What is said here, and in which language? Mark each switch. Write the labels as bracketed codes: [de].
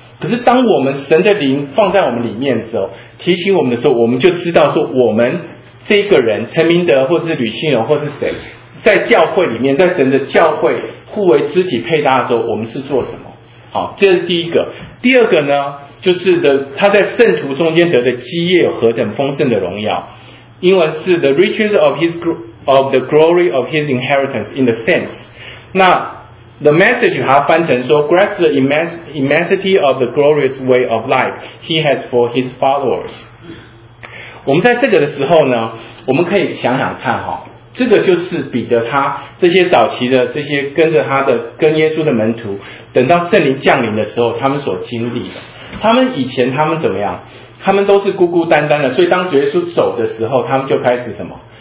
[zh] 可是当我们神的灵放在我们里面之后，提醒我们的时候，我们就知道说，我们这个人陈明德或是吕信荣或是谁，在教会里面，在神的教会互为肢体配搭的时候，我们是做什么。好，这是第一个。第二个呢，就是的他在圣徒中间得的基业有何等丰盛的荣耀。英文是 [en] the riches of his of the glory of his inheritance in the saints。 [zh] 那 [en] the message [zh] 他翻成说 [en] grasp the immensity of the glorious way of life he has for his followers。 [zh] 我们在这个的时候呢，我们可以想想看，这个就是彼得他这些早期的这些跟着他的跟耶稣的门徒，等到圣灵降临的时候，他们所经历的。他们以前他们怎么样？他们都是孤孤单单的，所以当耶稣走的时候，他们就开始什么？